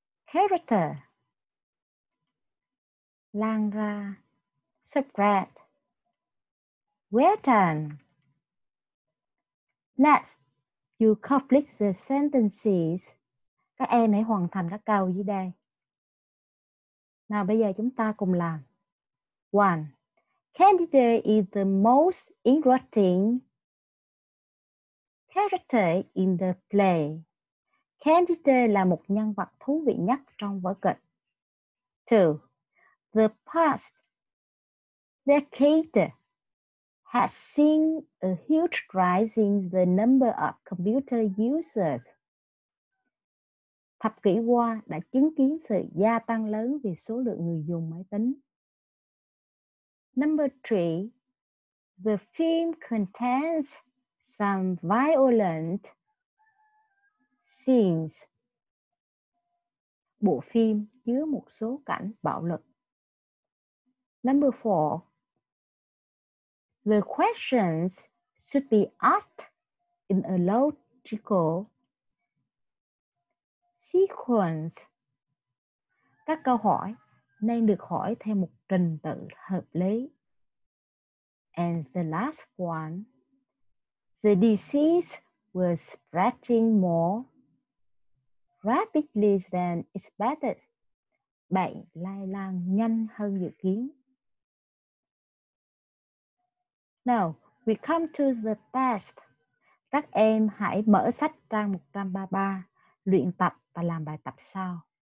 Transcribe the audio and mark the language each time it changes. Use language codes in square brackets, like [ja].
[en] Character, [vi] lan ra, [en] spread, well done. Next, you complete the sentences [vi] Các em hãy hoàn thành các câu dưới đây. Nào bây giờ chúng ta cùng làm. [en] One. Candida is the most interesting character in the play. [vi] Candida là một nhân vật thú vị nhất trong vở kịch. [en] Two. The past decade has seen a huge rise in the number of computer users. [vi] Thập kỷ qua đã chứng kiến sự gia tăng lớn về số lượng người dùng máy tính. [en] Number three, the film contains some violent scenes. [vi] Bộ phim chứa một số cảnh bạo lực. [en] Number four, the questions should be asked in a logical sequence. [vi] Các câu hỏi nên được hỏi theo một trình tự hợp lý. [en] And the last one, the disease was spreading more rapidly than expected. [vi] Bệnh lây lan nhanh hơn dự kiến. [en] Now, we come to the test. [vi] Các em hãy mở sách trang 133, luyện tập và làm bài tập sau.